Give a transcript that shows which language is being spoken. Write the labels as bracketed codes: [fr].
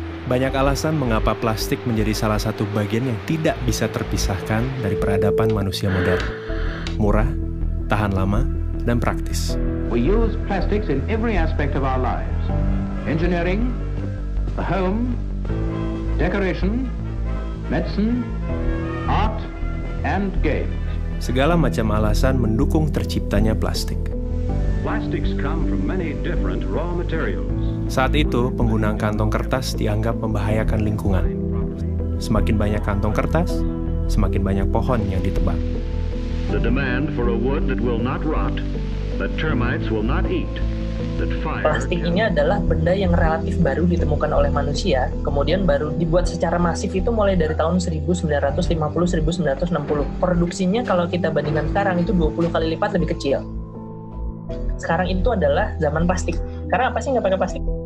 [id] Banyak alasan mengapa plastik menjadi salah satu bagian yang tidak bisa terpisahkan dari peradaban manusia modern. Murah, tahan lama, dan praktis. [en] We use plastics in every aspect of our lives. Engineering, the home, decoration, medicine, art, and games. [id] Segala macam alasan mendukung terciptanya plastik. [en] Plastics come from many different raw materials. [id] Saat itu, penggunaan kantong kertas dianggap membahayakan lingkungan. Semakin banyak kantong kertas, semakin banyak pohon yang ditebang. [en] The demand for a wood that will not rot, that termites will not eat. [id] Plastik ini adalah benda yang relatif baru ditemukan oleh manusia, kemudian baru dibuat secara masif itu mulai dari tahun 1950-1960. Produksinya kalau kita bandingkan sekarang itu 20 kali lipat lebih kecil. Sekarang itu adalah zaman plastik. Karena apa sih nggak pakai plastik?